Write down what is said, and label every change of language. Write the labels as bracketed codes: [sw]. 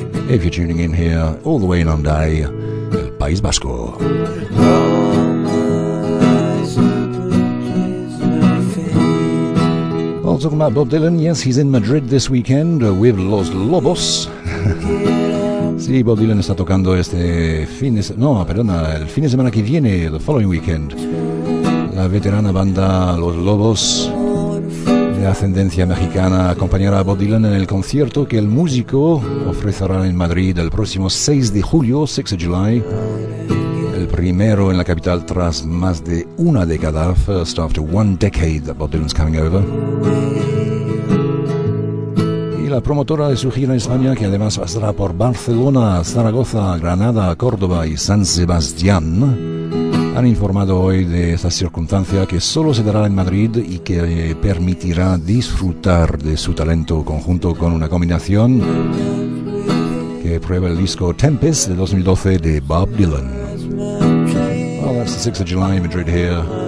[en] If you're tuning in here, all the way in Andai, El País Vasco. Talking about Bob Dylan, yes, he's in Madrid this weekend with Los Lobos. [es] Sí, Bob Dylan está tocando este fin de semana. No, perdona, el fin de semana que viene, [en] the following weekend. [es] La veterana banda Los Lobos, de ascendencia mexicana, acompañará a Bob Dylan en el concierto que el músico ofrecerá en Madrid el próximo 6 de julio, 6 de July. Primero en la capital tras más de una década, [en] first after one decade that Bob Dylan's coming over. [es] Y la promotora de su gira en España, que además pasará por Barcelona, Zaragoza, Granada, Córdoba y San Sebastián, han informado hoy de esta circunstancia que solo se dará en Madrid y que permitirá disfrutar de su talento conjunto con una combinación que prueba el disco Tempest de 2012 de Bob Dylan. [en] It's the 6th of July in Madrid here.